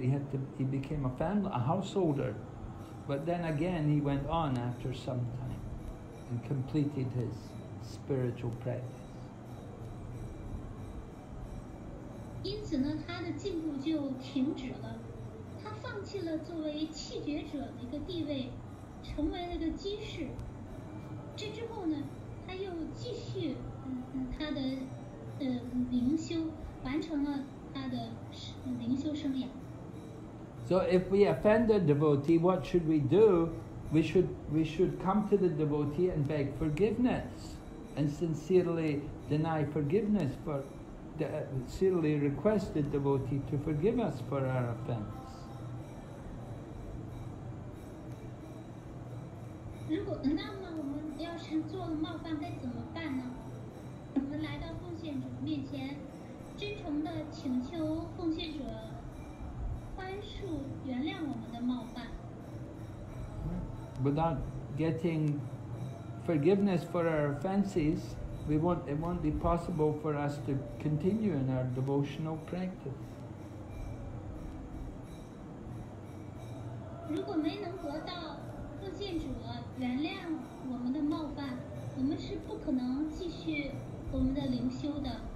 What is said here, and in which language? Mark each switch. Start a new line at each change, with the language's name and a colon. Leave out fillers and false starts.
English: He became a family, a householder, but then again he went on after some time and completed his spiritual practice.
Chinese: 因此呢，他的进步就停止了。他放弃了作为气绝者的一个地位，成为了个居士。这之后呢，他又继续他的灵修，完成了他的灵修生涯。
English: So if we offend a devotee, what should we do? We should come to the devotee and beg forgiveness and sincerely deny forgiveness for sincerely request the devotee to forgive us for our offense.
Chinese: 如果那么我们要是做了冒犯该怎么办呢？我们来到奉献者面前，真诚的请求奉献者宽恕原谅我们的冒犯。
English: Without getting forgiveness for our offenses, it won't be possible for us to continue in our devotional practice.
Chinese: 如果没能得到奉献者原谅我们的冒犯，我们是不可能继续我们的灵修的。